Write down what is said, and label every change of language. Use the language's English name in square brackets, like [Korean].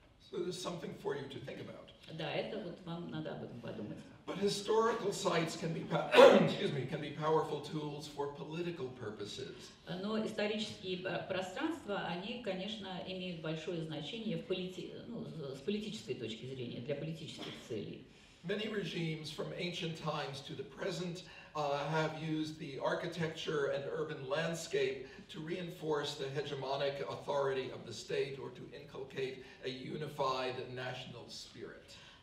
[English] So there's something for you to think about. [Russian] Да, это вот вам надо об этом подумать. [English] But historical sites can be can be powerful tools for political purposes. [Russian] Но исторические пространства, они, конечно, имеют большое значение в с политической точки зрения, для политических целей. [English] Many regimes from ancient times to the present have used the architecture and urban landscape to reinforce the hegemonic authority of the state or to inculcate a unified national spirit.